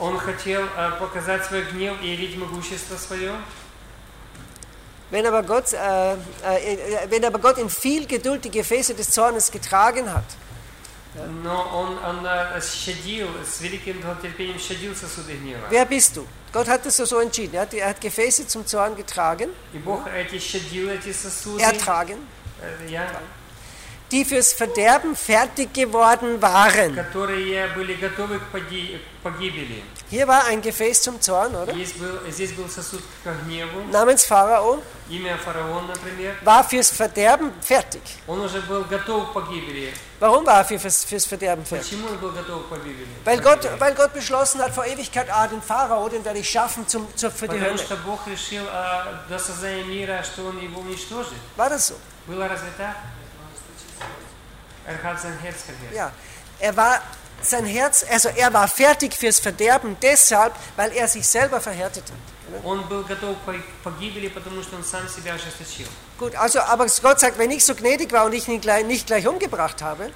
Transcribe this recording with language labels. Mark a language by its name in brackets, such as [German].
[Russian] Он хотел показать свой гнев и явить могущество своё. [German] Wenn aber Gott in viel Geduld die Gefäße des Zornes getragen hat. [Russian] Но он щадил, с великим терпением щадил сосуды гнева. [German] Wer bist du? Gott hat es so entschieden. Er hat Gefäße zum Zorn getragen. [Russian] И Бог эти щадил эти сосуды. [German] Ertragen. Ja. Die fürs Verderben fertig geworden waren. [Russian] Которые были готовы к погибели. [German] Hier war ein Gefäß zum Zorn, oder? [Russian] Здесь был сосуд к гневу. [German] Namens Pharao. [Russian] Имя Фараон, например. [German] War fürs Verderben fertig. [Russian] Он уже был готов к погибели. [German] Warum war er fürs Verderben fertig? [Russian] Почему он был готов к погибели? [German] Weil Gott beschlossen hat vor Ewigkeit, den Pharao, den werde ich schaffen für die Hölle. [Russian] Потому что Бог решил до создания мира, что он его уничтожит. [German] War das so? [Russian] Было разве так? [German] Er hat sein Herz verhärtet. Ja, er war fertig fürs Verderben, deshalb, weil er sich selber verhärtet hat. [Russian] Он был готов к погибели, потому что он сам себя ожесточил. [German] Gut, also, aber Gott sagt, wenn ich so gnädig war und ich ihn nicht gleich umgebracht habe,